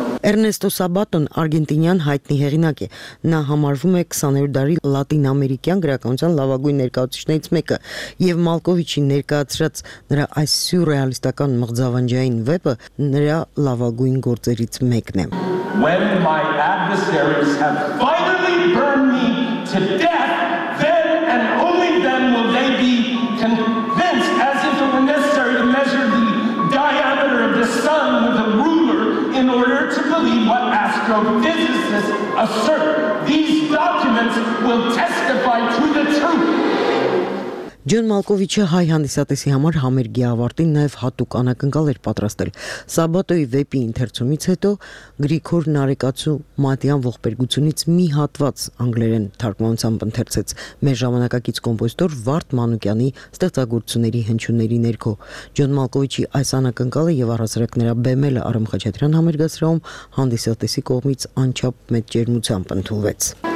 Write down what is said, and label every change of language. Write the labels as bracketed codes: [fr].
[hy] Ernesto Sabaton արգենտինյան հայտնի հեղինակ է։ Նա համարվում է 20-րդ դարի լատին ամերիկյան գրականության լավագույն ներկայացուցիչներից մեկը, եւ Մալկովիչի ներկայացրած նրա այս սյուրռեալիստական մղձավանջային վեպը նրա լավագույն գործերից մեկն է։ [en] When my adversaries have finally burned me to death, then and only then will they be convinced as if it were necessary to measure the diameter of the sun in order to believe what astrophysicists assert. These documents will testify to the truth. [hy] Ջոն Մալկովիչը հայ հանդիսատեսի համար համերգի ավարտին նաև հատուկ անակնկալ էր պատրաստել։ Սաբատոյի վեպի ինթերցումից հետո Գրիգոր Նարեկացու Մատյան ողբերգությունից մի հատված անգլերեն թարգմանությամբ ընթերցեց մեր ժամանակակից կոմպոզիտոր Վարդ Մանուկյանի ստեղծագործությունների հնչյունների ներքո։ Ջոն Մալկովիչի այս անակնկալը եւ առհասարակ նրա բեմելը Արամ Խաչատրյան համերգասրահում հանդիսատեսի կողմից անչափ մեծ ջերմությամբ ընդունվեց։